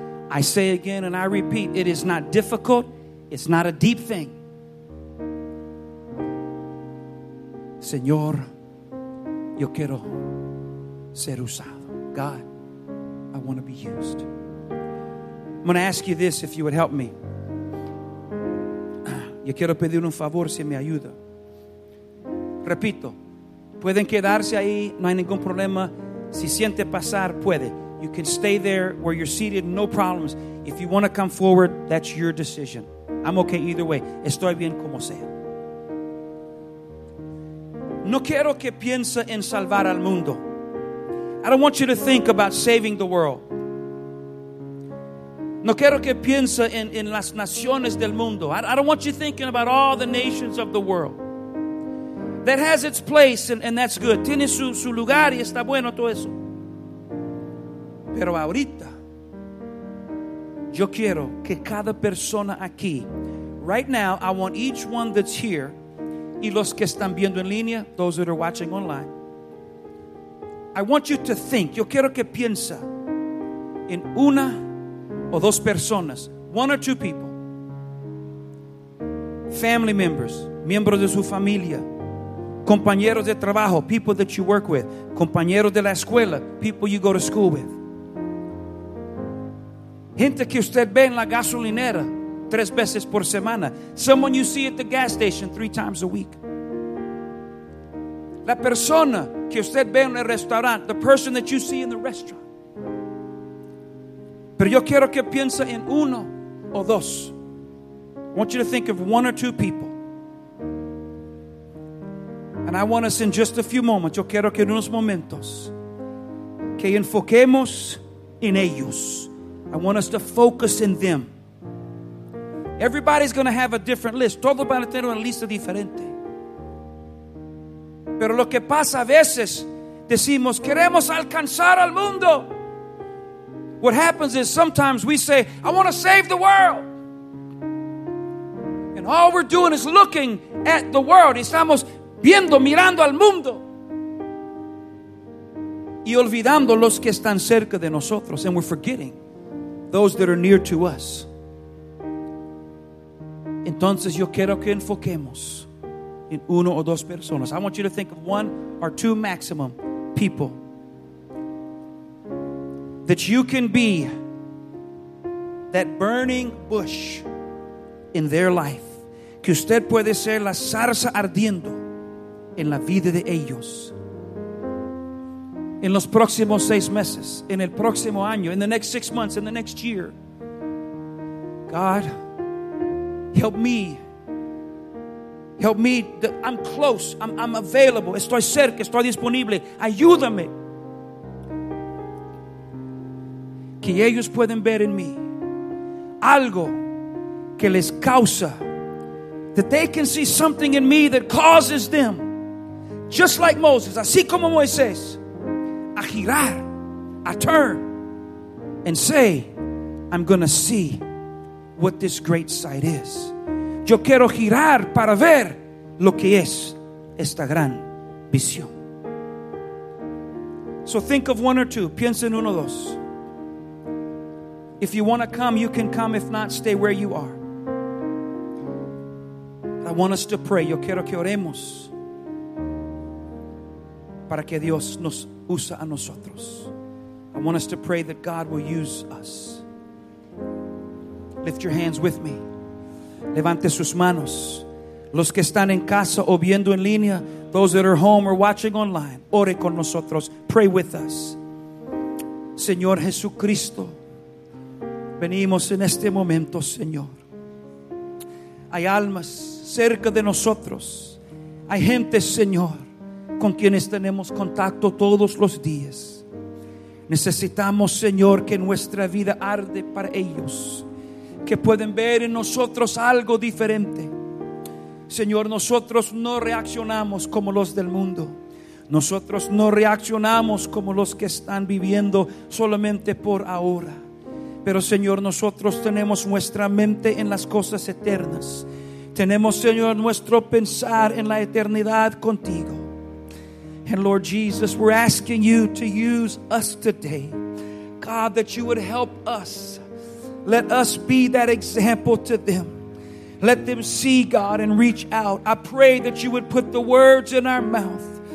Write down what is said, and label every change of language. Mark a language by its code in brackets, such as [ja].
[en] I say again and I repeat, it is not difficult. It's not a deep thing. [es] Señor, yo quiero ser usado. [en] God, I want to be used. I'm going to ask you this if you would help me. [es] Yo quiero pedir un favor si me ayuda. Repito, pueden quedarse ahí, no hay ningún problema. Si siente pasar, puede. [en] You can stay there where you're seated, no problems. If you want to come forward, that's your decision. I'm okay either way. [es] Estoy bien como sea. No quiero que piense en salvar al mundo. [en] I don't want you to think about saving the world. [es] No quiero que piense en las naciones del mundo. [en] I don't want you thinking about all the nations of the world. That has its place and that's good. [es] Tiene su lugar y está bueno todo eso. Pero ahorita, yo quiero que cada persona aquí, [en] right now, I want each one that's here, [es] y los que están viendo en línea, [en] those that are watching online, I want you to think, [es] yo quiero que piensa en una o dos personas, [en] one or two people, family members, [es] miembros de su familia, compañeros de trabajo, [en] people that you work with, [es] compañeros de la escuela, [en] people you go to school with, [es] gente que usted ve en la gasolinera tres veces por semana. [en] Someone you see at the gas station three times a week. [es] La persona que usted ve en el restaurante. [en] The person that you see in the restaurant. [es] Pero yo quiero que piense en uno o dos. [en] I want you to think of one or two people. And I want us in just a few moments. [es] Yo quiero que en unos momentos. Que enfoquemos en ellos. [en] I want us to focus in them. Everybody's going to have a different list. [es] Todos van a tener una lista diferente. Pero lo que pasa a veces, decimos, queremos alcanzar al mundo. [en] What happens is sometimes we say, I want to save the world. And all we're doing is looking at the world. [es] Estamos viendo, mirando al mundo. y olvidando los que están cerca de nosotros. [en] And we're forgetting those that are near to us. [es] Entonces yo quiero que enfoquemos en uno o dos personas. [en] I want you to think of one or two maximum people that you can be that burning bush in their life. [es] Que usted puede ser la zarza ardiendo en la vida de ellos. En los próximos seis meses, en el próximo año, [en] in the next 6 months, in the next year. God, help me. Help me. I'm close. I'm available. [es] Estoy cerca. Estoy disponible. Ayúdame. Que ellos pueden ver en mí algo que les causa. [en] That they can see something in me that causes them, just like Moses, [es] así como Moisés, a girar, [en] a turn, and say, I'm going to see what this great sight is. [es] Yo quiero girar para ver lo que es esta gran visión. [en] So think of one or two. [es] Piensa en uno o dos. [en] If you want to come, you can come. If not, stay where you are. I want us to pray. [es] Yo quiero que oremos para que Dios nos use a nosotros. [en] I want us to pray that God will use us. Lift your hands with me. [es] Levante sus manos. Los que están en casa o viendo en línea, [en] those that are home or watching online, [es] ore con nosotros. [en] Pray with us. [es] Señor Jesucristo, venimos en este momento, Señor. Hay almas cerca de nosotros. Hay gente, Señor, con quienes tenemos contacto todos los días. Necesitamos, Señor, que nuestra vida arde para ellos, que pueden ver en nosotros algo diferente. Señor, nosotros no reaccionamos como los del mundo. Nosotros no reaccionamos como los que están viviendo solamente por ahora. Pero, Señor, nosotros tenemos nuestra mente en las cosas eternas. Tenemos, Señor, nuestro pensar en la eternidad contigo. [en] And Lord Jesus, we're asking you to use us today. God, that you would help us. Let us be that example to them. Let them see God and reach out. I pray that you would put the words in our mouth.